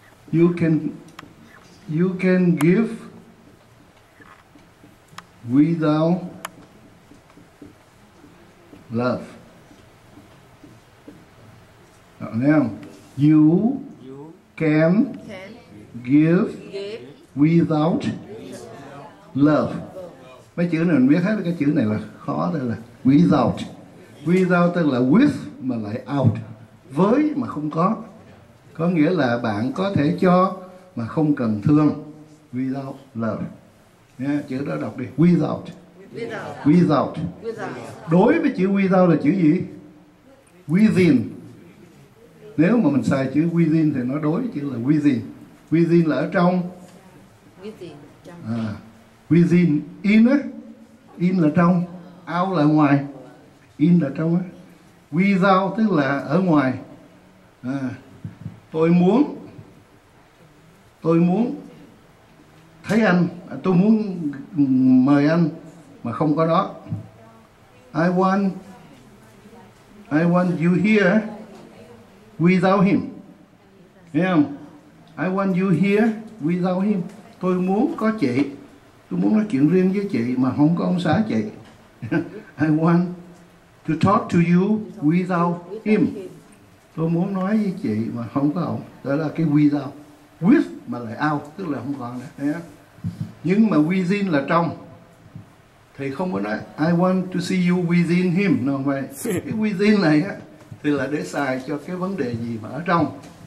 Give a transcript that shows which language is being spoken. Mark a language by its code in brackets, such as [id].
[en] You can give without love. [vi] Đọc nghe không? [en] You can give without love. [vi] Mấy chữ này mình biết hết, cái chữ này là khó, đây là without. Without tức là with mà lại out. Với mà không có. Có nghĩa là bạn có thể cho mà không cần thương. [en] Without love. [vi] Yeah, chữ đó đọc đi. Without. [en] Without. [vi] Đối với chữ without là chữ gì? Within. Nếu mà mình xài chữ within thì nó đối chữ là within. Within là ở trong. [en] Within. [vi] Within. In. In là trong. Out là ngoài. In là trong. Without tức là ở ngoài. Tôi muốn thấy anh, tôi muốn mời anh mà không có đó. [en] I want you here without him. [vi] Thấy không? [en] I want you here without him. [vi] Tôi muốn có chị, tôi muốn nói chuyện riêng với chị mà không có ông xã chị. [en] I want to talk to you without him. [vi] Tôi muốn nói với chị mà không có ổng. Đó là cái without. With mà lại out, tức là không còn nữa. Nhưng mà within là trong. Thì không có nói [en] I want to see you within him. [vi] Không phải. Cái within này á, thì là để xài cho cái vấn đề gì mà ở trong.